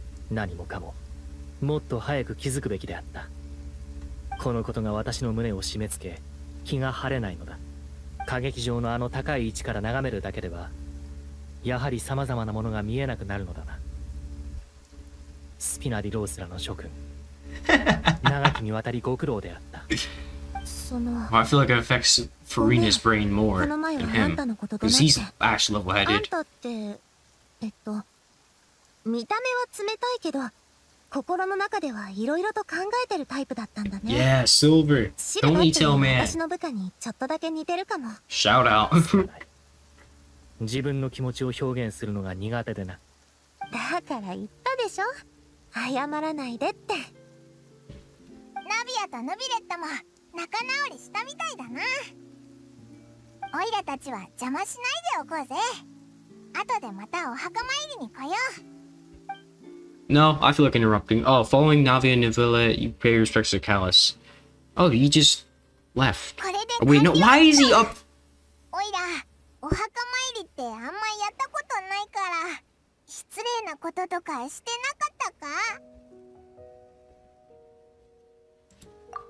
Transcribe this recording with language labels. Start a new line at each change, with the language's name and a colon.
Japanese: 何もかももっと早く気づくべきであった。このことが私の胸を締め付け気が晴れないのだ。歌劇場のあの高い位置から眺めるだけではやはり様々なものが見えなくなるのだな。スピナディロースらの諸君、長きにわたりご苦労であった。
English: Well, I feel like it affects Farina's brain more than him, because he's ash level-headed. Yeah, Silver. Don't need tell man. Shout out.
Japanese: 自分の気持ちを表現するのが苦手でな。だから言ったでしょ。謝らないでって。ナビアとヌビレットも。仲直りしたみたいだな。オイラたちは邪魔しないでおこうぜ。後でまたお墓参りに来よう。
English: No, I feel like interrupting. Oh, following Navi and Nivilla, you pay respects to Kallus. Oh, you just left.
Japanese: これで完了だ。
English: Wait, no, why is he up?
Japanese: オイラ、お墓参りってあんまやったことないから、失礼なこととかしてなかったか？